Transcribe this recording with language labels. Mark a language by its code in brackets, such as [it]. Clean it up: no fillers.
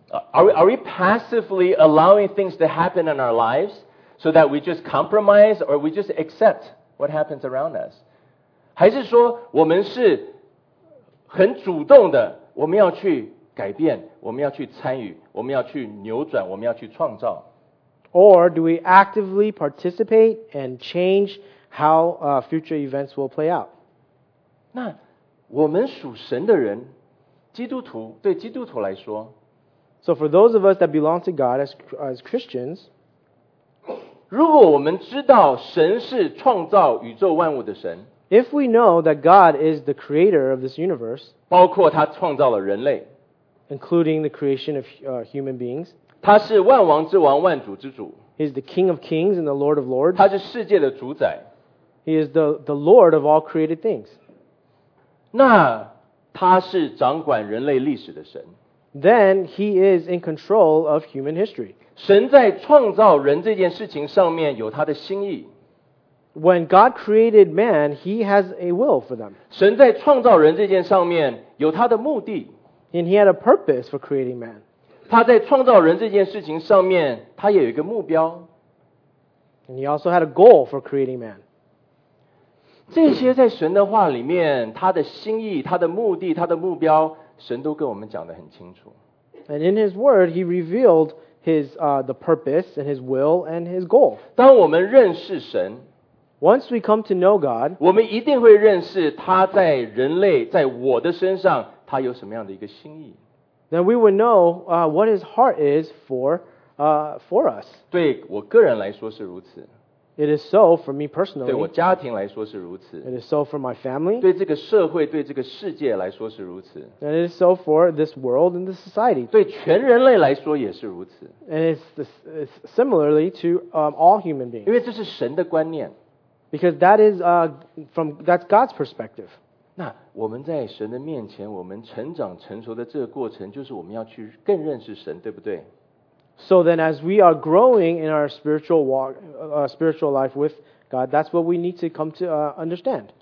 [en] Are we passively allowing things to happen in our lives? So that we just compromise or we just accept what happens around us. [zh] 还是说我们是很主动的，我们要去改变，我们要去参与，我们要去扭转，我们要去创造。 [en] Or do we actively participate and change how future events will play out? [zh] 那我们属神的人，基督徒，对基督徒来说。 [en] So for those of us that belong to God as Christians, [zh] 如果我们知道神是创造宇宙万物的神， [en] If we know that God is the creator of this universe, [zh] 包括他创造了人类， [en] including the creation of human beings, [zh] 他是万王之王万主之主， [en] He is the king of kings and the lord of lords, [zh] 他是世界的主宰， [en] He is the lord of all created things, [zh] 那他是掌管人类历史的神， [en] Then he is in control of human history. [zh] 神在创造人这件事情上面有他的心意。 [en] When God created man, he has a will for them. [zh] 神在创造人这件上面有他的目的。 [en] And he had a purpose for creating man. [zh] 他在创造人这件事情上面他也有一个目标。 [en] And he also had a goal for creating man. [zh] 这些在神的话里面他的心意他的目的他的目标神都跟我们讲得很清楚。 [en] And in his word, he revealedthe purpose and his will and his goal. [zh] 当我们认识神， [en] Once we come to know God, [zh] 我们一定会认识他在人类，在我的身上，他有什么样的一个心意。 [en] then we would know what his heart is for us. [zh] 对我个人来说是如此。 [en] It is so for me personally. [zh] 对我家庭来说是如此。 [en] It is so for my family. [zh] 对这个社会、对这个世界来说是如此。 [en] And it is so for this world and this society. [zh] 对全人类来说也是如此。 [en] And it's similarly to all human beings. [zh] 因为这是神的观念。 [en] Because that is that's God's perspective. [zh] 那我们在神的面前，我们成长成熟的这个过程，就是我们要去更认识神，对不对？ [en] So then as we are growing in our spiritual walk, spiritual life with God, that's what we need to come to understand.